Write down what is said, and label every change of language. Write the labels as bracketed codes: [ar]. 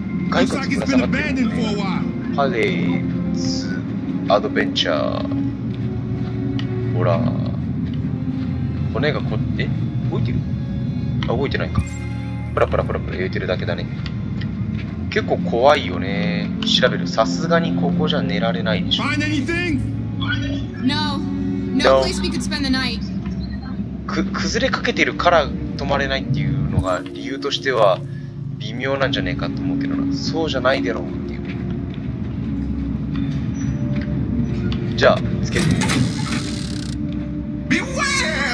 [ja] 外国から下がってるのね。パレーツアドベンチャー、ほら骨がこって動いてる？あ、動いてないか。プラプラプラプラ言ってるだけだね。結構怖いよね。調べる。さすがにここじゃ寝られないでしょ。 [en] Find anything? No. No place we could spend the night. [ja] 崩れかけてるから泊まれないっていうのが理由としては微妙なんじゃねえかと思うけどな。そうじゃないだろうっていう。じゃあ、つけて。 [en] Beware!